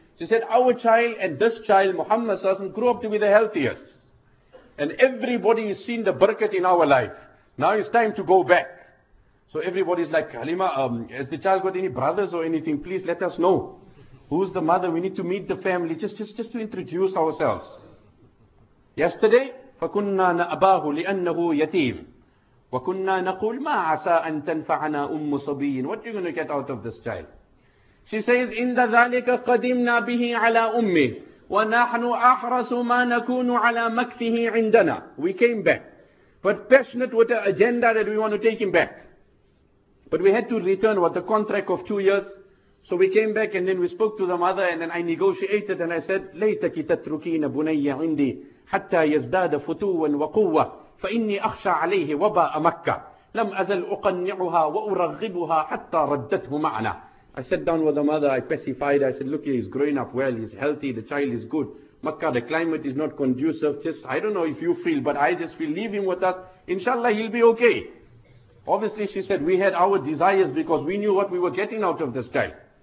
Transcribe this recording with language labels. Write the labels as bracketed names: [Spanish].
[English] She said, our child and this child, Muhammad Sallallahu Alaihi Wasallam, grew up to be the healthiest. And everybody has seen the barakat in our life. Now it's time to go back. So everybody's like, Halima, has the child got any brothers or anything? Please let us know. Who's the mother? We need to meet the family. Just to introduce ourselves. Yesterday, [Arabic] فَكُنَّا نَأْبَاهُ لِأَنَّهُ يَتِيمٌ وَكُنَّا نَقُولْ مَا عَسَىٰ أَن تَنْفَعَنَا أُمُّ صَبِيٍّ. [English] What are you going to get out of this child? She says, [Arabic] إِنَّ ذَلِكَ قَدِمْنَا بِهِ عَلَىٰ أُمِّهِ وَنَحْنُ أَحْرَسُ مَا نَكُونُ عَلَىٰ مَكْثِهِ عِنْدَنَا. [English] We came back. But passionate with the agenda that we want to take him back. But we had to return with the contract of 2 years. So we came back and then we spoke to the mother and then I negotiated and I said, [Arabic] لَيْتَكِ تَتْرُكِينَ بُنَيَّ عِنْدِي حَتَّى يَزْدَادَ فُتُوًا وَقُوَّةً فَإِنِّي أَخْشَى عَلَيْهِ وَبَاءَ مَكَّةَ لَمْ أَزَلْ أُقَنِّعُهَا وَأُرَغِّبُهَا حَتَّى رَدَّتْهُ مَعْنَا. [English] I sat down with the mother, I pacified, I said, look, he's growing up well, he's healthy, the child is good. Makkah, the climate is not conducive. Just, I don't know if you feel, but I just feel, leave him with us. Inshallah, he'll be okay. Obviously, she said, we had our desires because we knew what we were getting out of this child.